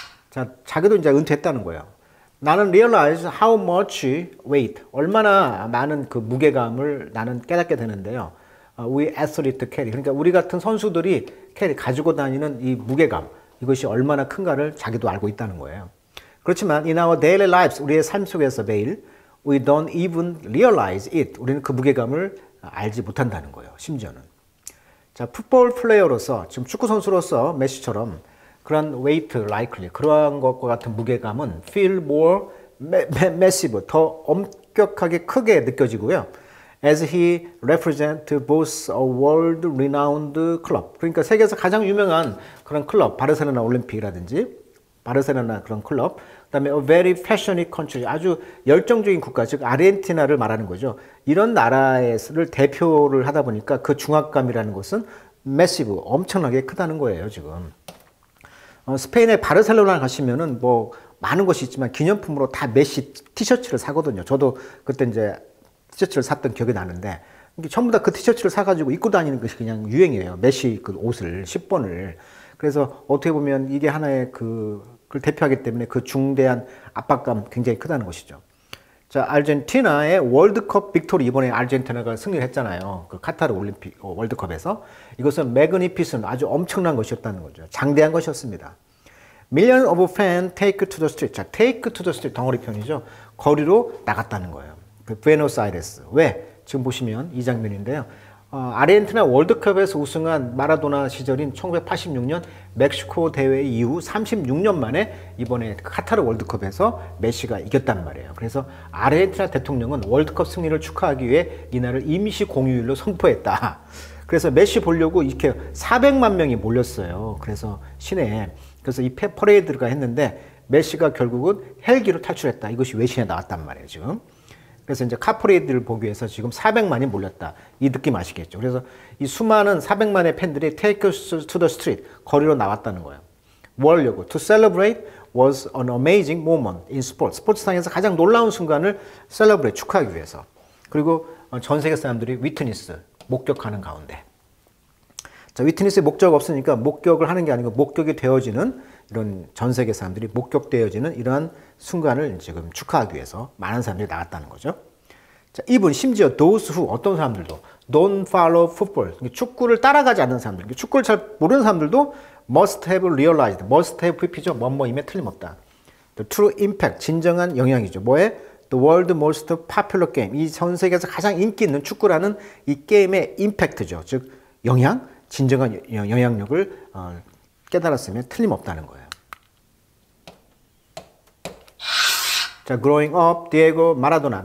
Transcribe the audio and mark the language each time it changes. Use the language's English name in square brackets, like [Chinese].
[Korean] 자, 자기도 이제 은퇴했다는 거예요. 나는 [English] realize how much weight, [Korean] 얼마나 많은 그 무게감을 나는 깨닫게 되는데요. [English] We athlete carry. [Korean] 그러니까 우리 같은 선수들이 carry, 가지고 다니는 이 무게감, 이것이 얼마나 큰가를 자기도 알고 있다는 거예요. 그렇지만 [English] in our daily lives, [Korean] 우리의 삶 속에서 매일 [English] we don't even realize it. [Korean] 우리는 그 무게감을 알지 못한다는 거예요. 심지어는. 자, [English] football player [Korean] 로서 지금 축구 선수로서 메시처럼 그런 [English] weight likely [Korean] 그러한 것과 같은 무게감은 [English] feel more massive [Korean] 더 엄격하게 크게 느껴지고요. [English] As he represent both a world renowned club. [Korean] 그러니까 세계에서 가장 유명한 그런 클럽, 바르셀로나 올림픽이라든지 바르셀로나 그런 클럽, 그다음에 [English] a very passionate country, [Korean] 아주 열정적인 국가, 즉 아르헨티나를 말하는 거죠. 이런 나라에서를 대표를 하다 보니까 그 중압감이라는 것은 massive, 엄청나게 크다는 거예요, 지금. 스페인의 바르셀로나 가시면은 뭐 많은 것이 있지만 기념품으로 다 메시 티셔츠를 사거든요. 저도 그때 이제 티셔츠를 샀던 기억이 나는데 이게 전부 다그 티셔츠를 사가지고 입고 다니는 것이 그냥 유행이에요. 메시 그 옷을 10번을. 그래서 어떻게 보면 이게 하나의 그걸 대표하기 때문에 그 중대한 압박감 굉장히 크다는 것이죠. 자, 아르헨티나의 월드컵 빅토리 이번에 아르헨티나가 승리를 했잖아요. 그 카타르 올림픽 월드컵에서 이것은 매그니피슨 아주 엄청난 것이었다는 거죠. 장대한 것이었습니다. [English] Million of fans take to the street. 자, take to the street [Korean] 덩어리 표현이죠. 거리로 나갔다는 거예요. 그 부에노스아이레스. 왜? 지금 보시면 이 장면인데요. 아르헨티나 월드컵에서 우승한 마라도나 시절인 1986년 멕시코 대회 이후 36년 만에 이번에 카타르 월드컵에서 메시가 이겼단 말이에요. 그래서 아르헨티나 대통령은 월드컵 승리를 축하하기 위해 이날을 임시 공휴일로 선포했다. 그래서 메시 보려고 이렇게 400만 명이 몰렸어요. 그래서 시내에. 그래서 이 퍼레이드가 했는데 메시가 결국은 헬기로 탈출했다. 이것이 외신에 나왔단 말이에요, 지금. 그래서 이제 카프레이드를 보기 위해서 지금 400만이 몰렸다. 이 느낌 아시겠죠? 그래서 이 수많은 400만의 팬들이 [English] take us to the street, [Korean] 거리로 나왔다는 거예요. 뭐 하려고? [English] To celebrate was an amazing moment in sports. [Korean] 스포츠상에서 가장 놀라운 순간을 celebrate, 축하하기 위해서. 그리고 전 세계 사람들이 위트니스, 목격하는 가운데. 자, 위트니스의 목적 없으니까 목격을 하는 게 아니고 목격이 되어지는 이런 전 세계 사람들이 목격되어지는 이러한 순간을 지금 축하하기 위해서 많은 사람들이 나갔다는 거죠. 자, 이분 심지어 [English] those who [Korean] 어떤 사람들도 [English] don't follow football [Korean] 축구를 따라가지 않는 사람들, 축구를 잘 모르는 사람들도 [English] must have realized, must have VP [Korean] 죠. 뭐뭐임에 틀림없다. [English] The true impact [Korean] 진정한 영향이죠. 뭐에? [English] The world most popular game [Korean] 이전 세계에서 가장 인기 있는 축구라는 이 게임의 임팩트죠. 즉 영향, 진정한 영향력을 깨달았으면 틀림없다는 거예요. [English] 자, growing up, Diego Maradona.